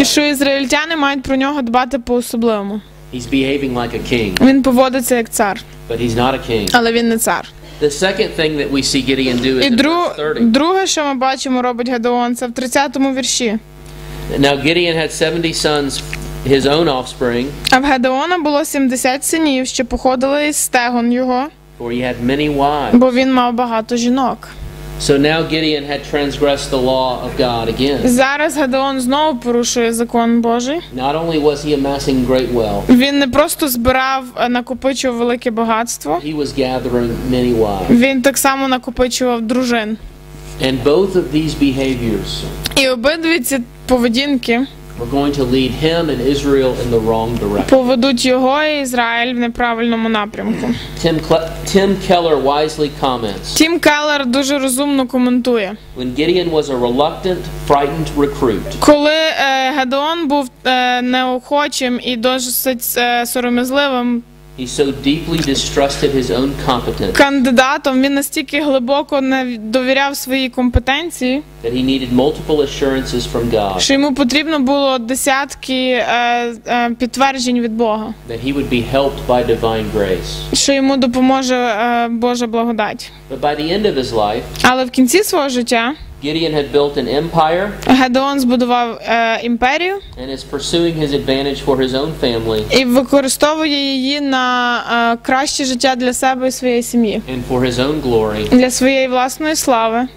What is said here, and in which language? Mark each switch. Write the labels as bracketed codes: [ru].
[uk] І що ізраїльтяни мають про нього дбати по-особливому. [en] He's behaving like a king. [uk] Він поводиться як цар. [en] But he's not a king. [uk] Але він не цар. [en] The second thing that we see Gideon do is in verse 30. [uk] Друге, що ми бачимо, робить Гедеон, це в 30-му вірші. [en] Now Gideon had 70 sons, his own offspring. [uk] А в Гедеона було 70 синів, що походили із стегон його. [en] For he had many wives. [uk] Бо він мав багато жінок. [en] So now Gideon had transgressed the law of God again. [uk] Зараз Гедеон знову порушує закон Божий. [en] Not only was he amassing great wealth. [uk] Він не просто збирав, а накопичував велике багатство. [en] He was gathering many wives. [uk] Він так само накопичував дружин. [en] And both of these behaviors. [uk] І обидві ці поведінки. [en] We're going to lead him and Israel in the wrong direction. [uk] Поведуть його і Ізраїль в неправильному напрямку. [en] Tim Keller wisely comments. [uk] Тім Келлер дуже розумно коментує. [en] When Gideon was a reluctant, frightened recruit. [uk] Коли Гедеон був неохочим і досить сором'язливим. [en] He so deeply distrusted his own competence. [uk] Кандидатом він настільки глибоко не довіряв своїй компетенції. [en] That he needed multiple assurances from God. [uk] Що йому потрібно було десятки підтверджень від Бога. [en] That he would be helped by divine grace. [uk] Що йому допоможе Божа благодать. [en] But by the end of his life. [uk] Але в кінці свого життя. [en] Gideon had built an empire. [uk] Гедеон збудував імперію. [en] And is pursuing his advantage for his own family. [uk] І використовує її на краще життя для себе і своєї сім'ї. [en] And for his own glory. [uk] Для своєї власної слави.